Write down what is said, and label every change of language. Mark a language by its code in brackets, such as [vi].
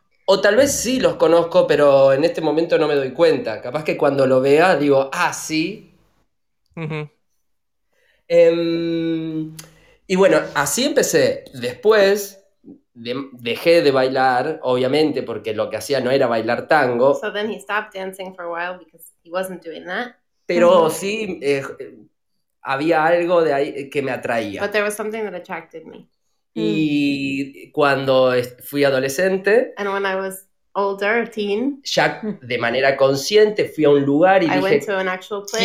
[es] O tal vez sí los conozco, pero en este momento no me doy cuenta. Capaz que cuando lo vea digo, ah, sí. Uh-huh. Y bueno, así empecé. Después dejé de bailar, obviamente, porque lo que hacía no era bailar tango. [en] So then he stopped dancing for a while because... He wasn't doing that. [es] Pero sí, había algo de ahí que me atraía. [en] But there was something that attracted me. [es] Y cuando fui adolescente, [en] and when I was older, teen, [es] ya de manera consciente fui a un lugar y [en] I [es] dije, [en] went to an actual place